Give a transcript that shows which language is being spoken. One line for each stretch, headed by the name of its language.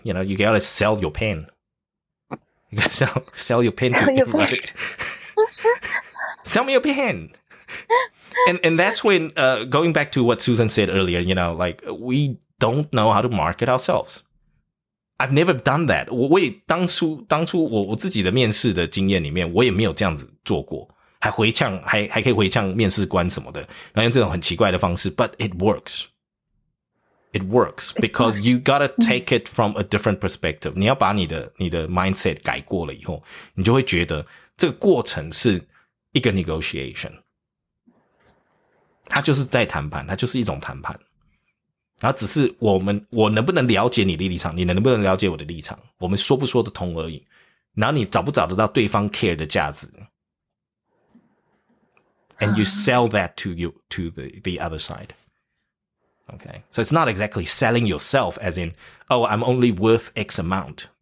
English: You know, you gotta sell your pen. You gotta sell your pen. Sell to your pen. Sell me your pen. And that's when, going back to what Susan said earlier, you know, like, we don't know how to market ourselves. I've never done that.
Chinese: 我也当初我自己的面试的经验里面，我也没有这样子做过。还可以回呛面试官什么的，然后用这种很奇怪的方式 ，
English: but it works. It works because you gotta take it from a different perspective.
Chinese: 你要把你的 mindset 改过了以后，你就会觉得这个过程是一个 negotiation. 它就是在谈判，它就是一种谈判。然后只是我能不能了解你的立场，你能不能了解我的立场，我们说不说得通而已。然后你找不找得到对方 care 的价值。
English: And you sell that to the other side. Okay. So it's not exactly selling yourself as in, oh, I'm only worth X amount.